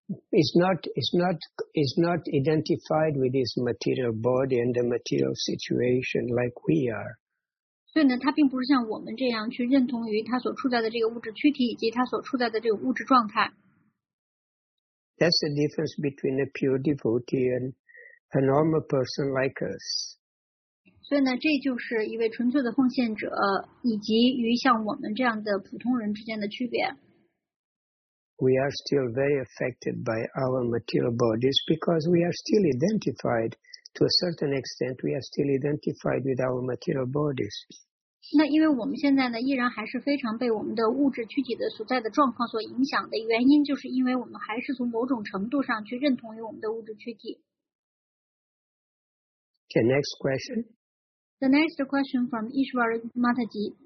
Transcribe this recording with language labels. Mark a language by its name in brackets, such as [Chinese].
[English] He's not identified with his material body and the material situation like we are. [Chinese] 所以呢，他并不是像我们这样去认同于他所处在的这个物质躯体以及他所处在的这个物质状态。 [English] That's the difference between a pure devotee and a normal person like us. [Chinese] 所以呢，这就是一位纯粹的奉献者以及与像我们这样的普通人之间的区别。 [English] We are still very affected by our material bodies because we are still identified. To a certain extent, we are still identified with our material bodies. [Chinese] 那因为我们现在呢，依然还是非常被我们的物质躯体的所在的状况所影响的原因，就是因为我们还是从某种程度上去认同于我们的物质躯体。 [English] Okay, next question. The next question from Ishwar Mataji.